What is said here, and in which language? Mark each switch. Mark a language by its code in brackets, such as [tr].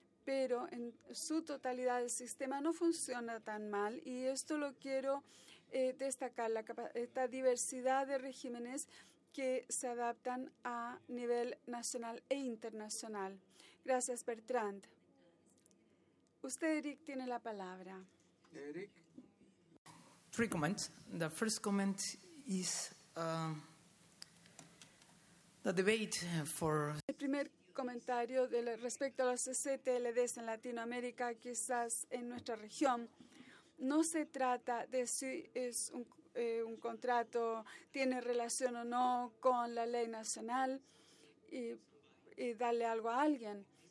[es] Pero en su totalidad el sistema no funciona tan mal, y esto lo quiero destacar, esta diversidad de regímenes que se adaptan a nivel nacional e internacional. Gracias, Bertrand. Usted, Eric, tiene la palabra. Eric. [en] three comments. The first comment is the debate for... [es] El primer comentario de respecto a los CCTLDs en Latinoamérica, quizás en nuestra región, no se trata de si es un contrato, tiene relación o no con la ley nacional y darle algo a alguien.